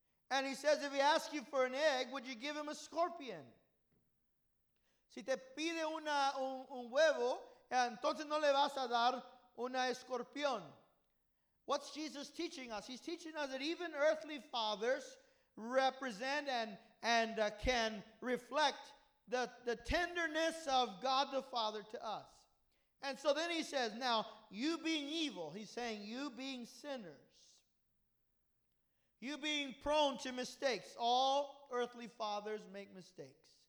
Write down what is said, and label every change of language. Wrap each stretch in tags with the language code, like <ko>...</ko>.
<en>And he says, if he asks you for an egg, would you give him a scorpion?</en> <es>Si te pide un huevo, entonces no le vas a dar una escorpión.</es> <en>What's Jesus teaching us? He's teaching us that even earthly fathers represent and can reflect the tenderness of God the Father to us. And so then he says, now, you being evil, he's saying, you being sinners, you being prone to mistakes, all earthly fathers make mistakes.</en>